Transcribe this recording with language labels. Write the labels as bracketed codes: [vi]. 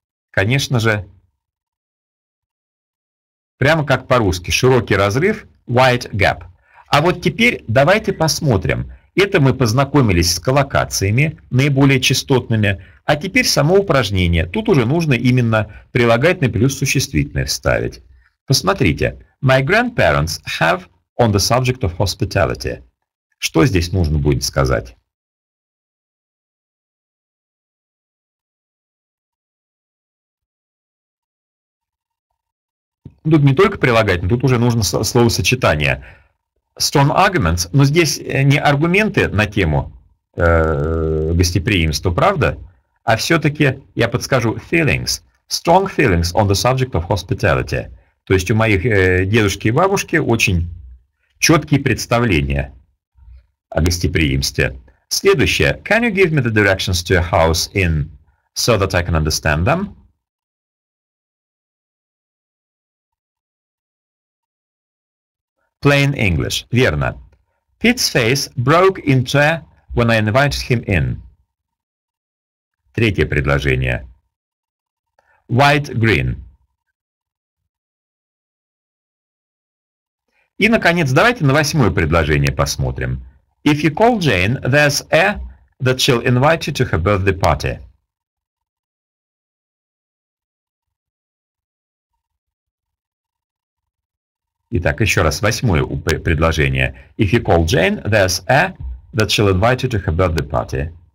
[ru] Конечно же, прямо как по-русски. Широкий разрыв. [en] Wide gap. [ru] А вот теперь давайте посмотрим. Это мы познакомились с коллокациями, наиболее частотными. А теперь само упражнение. Тут уже нужно именно прилагательное плюс существительное вставить. Посмотрите. [en] My grandparents have on the subject of hospitality. [ru] Что здесь нужно будет сказать? Тут не только прилагательное, тут уже нужно словосочетание. [en] Strong arguments, [ru] но здесь не аргументы на тему гостеприимства, правда? А все-таки я подскажу [en] feelings. Strong feelings on the subject of hospitality. [ru] То есть у моих дедушки и бабушки очень четкие представления о гостеприимстве. Следующее. [en] Can you give me the directions to your house in so that I can understand them? Plain English. [ru] Верно. [en] Pete's face broke into when I invited him in. [ru] Третье предложение. [en] White green. [ru] И, наконец, давайте на восьмое предложение посмотрим. [en] If you call Jane, there's a that she'll invite you to her birthday party. [ru] Итак, еще раз, восьмое предложение. [en] If you call Jane, there's a that she'll invite you to her birthday party.